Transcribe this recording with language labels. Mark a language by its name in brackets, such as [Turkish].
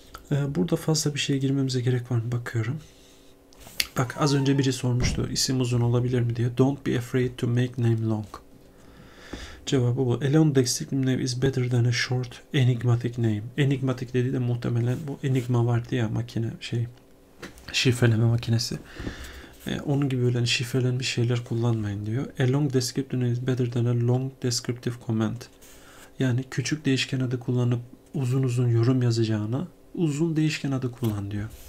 [Turkish] Burada fazla bir şeye girmemize gerek var mı? Bakıyorum. Bak az önce biri sormuştu isim uzun olabilir mi diye. [English] Don't be afraid to make name long. [Turkish] Cevabı bu. [English] A long descriptive name is better than a short enigmatic name. [Turkish] Enigmatic dediği de muhtemelen bu enigma vardı ya makine şey. Şifreleme makinesi. Onun gibi öyle şifrelenmiş şeyler kullanmayın diyor. [English] A long description is better than a long descriptive comment. [Turkish] Yani küçük değişken adı kullanıp uzun uzun yorum yazacağına uzun değişken adı kullan diyor.